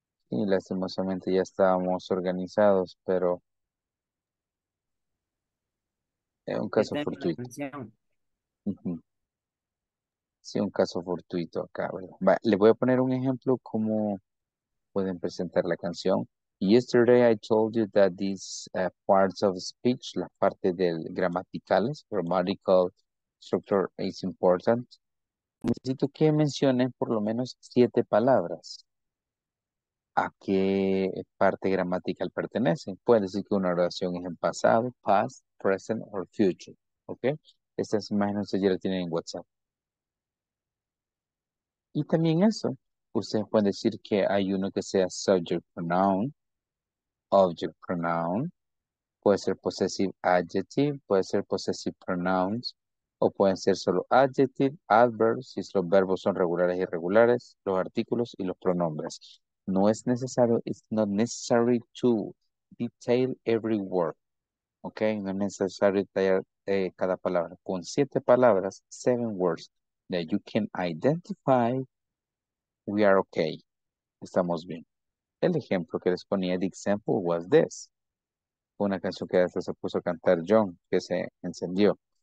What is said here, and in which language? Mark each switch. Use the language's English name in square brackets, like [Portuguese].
[Spanish] Y lastimosamente ya estábamos organizados, pero es un caso fortuito. Sí, un caso fortuito acá. Bueno, le voy a poner un ejemplo cómo pueden presentar la canción. [English] Yesterday I told you that these parts of speech, [Spanish] la parte del gramaticales, [English] grammatical structure, is important. [Spanish] Necesito que mencionen por lo menos 7 palabras. ¿A qué parte gramatical pertenecen? Puede decir que una oración es en pasado, [English] past, present, or future. Okay? [Spanish] Estas imágenes ustedes ya las tienen en WhatsApp. Y también eso. Ustedes pueden decir que hay uno que sea subject pronoun. Object pronoun, puede ser possessive adjective, puede ser possessive pronouns, o pueden ser solo adjective, adverbs, si los verbos son regulares e irregulares, los artículos y los pronombres. No es necesario, [English] it's not necessary to detail every word, okay? [Spanish] No es necesario detallar cada palabra. Con 7 palabras, [English] 7 words that you can identify, we are okay. [Spanish] Estamos bien. El ejemplo que les ponía, [English] the example was this. [Spanish] Una canción que hasta se puso a cantar John, que se encendió.